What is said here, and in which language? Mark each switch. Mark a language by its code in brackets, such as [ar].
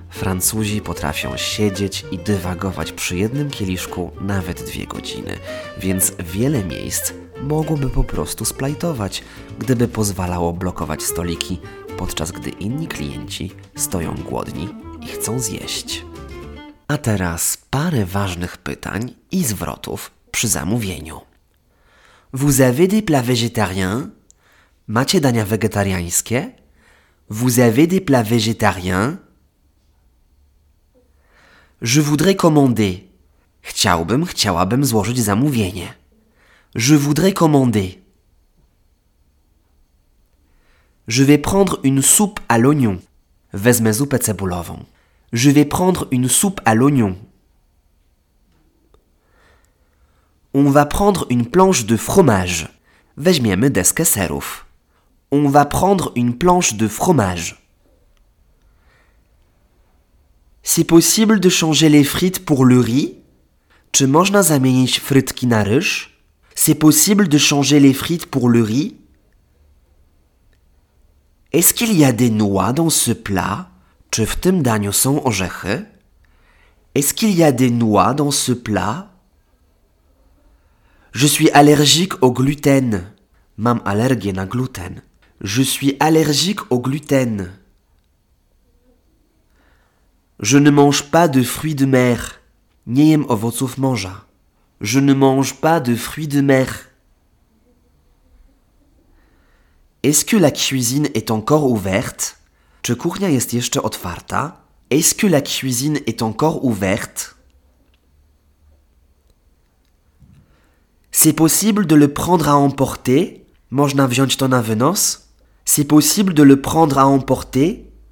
[pl] Francuzi potrafią siedzieć i dywagować przy jednym kieliszku nawet 2 godziny, więc wiele miejsc mogłoby po prostu splajtować, gdyby pozwalało blokować stoliki, podczas gdy inni klienci stoją głodni i chcą zjeść. A teraz parę ważnych pytań i zwrotów przy zamówieniu. [fr] Vous avez des plats végétariens? [pl] Macie dania wegetariańskie? [fr] Vous avez des plats végétariens? Je voudrais commander. [pl] Chciałabym złożyć zamówienie. [fr] Je voudrais commander. Je vais prendre une soupe à l'oignon. [pl] Wezmę zupę cebulową. [fr] Je vais prendre une soupe à l'oignon. On va prendre une planche de fromage. [pl] Weźmiemy deskę serów. [fr] On va prendre une planche de fromage. C'est possible de changer les frites pour le riz? [pl] Czy można zamienić frytki na ryż? [fr] C'est possible de changer les frites pour le riz? Est-ce qu'il y a des noix dans ce plat? [pl] Czy w tym daniu są orzechy? [fr] Est-ce qu'il y a des noix dans ce plat? Je suis allergique au gluten. [pl] Mam alergię na gluten. [fr] Je suis allergique au gluten. Je ne mange pas de fruits de mer. [pl] Nie jem owoców morza. [fr] Je ne mange pas de fruits de mer. Est-ce que la cuisine est encore ouverte? [pl] Czy kuchnia jest jeszcze otwarta? [fr] Est-ce que la cuisine est encore ouverte? C'est possible de le prendre à emporter? [pl] Można wziąć to na wynos? [fr] C'est possible de le prendre à emporter?